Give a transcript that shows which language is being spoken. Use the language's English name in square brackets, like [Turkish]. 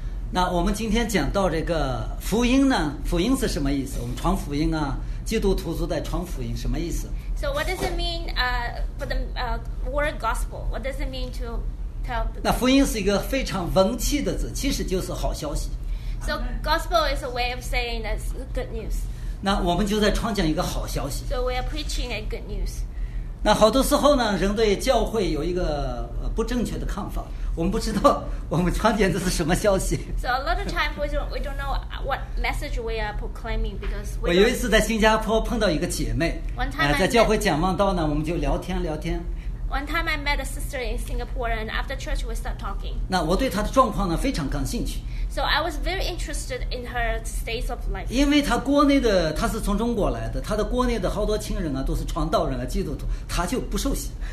[Chinese] 那我们今天讲到这个福音呢，福音是什么意思？我们传福音啊，基督徒都在传福音，什么意思？ [English] So what does it mean for the word gospel? What does it mean to tell the? [Chinese] 那福音是一个非常文气的字，其实就是好消息。 [English] So gospel is a way of saying that's good news. [Chinese] 那我们就在传讲一个好消息。 [English] So we are preaching a good news. [Chinese] 那好多时候呢，人对教会有一个不正确的看法。我们不知道我们传讲的是什么消息。 [English] So a lot of times we don't know what message we are proclaiming because we. [Chinese] 我有一次在新加坡碰到一个姐妹。 [English] One time I met. [Chinese] 在教会讲望道呢，我们就聊天聊天。 [English] One time I met a sister in Singapore and after church we start talking. [Chinese] 那我对她的状况呢非常感兴趣。 [English] So I was very interested in her state of life. [Chinese] 因为她国内的她是从中国来的，她的国内的好多亲人啊都是传道人啊基督徒，她就不受洗。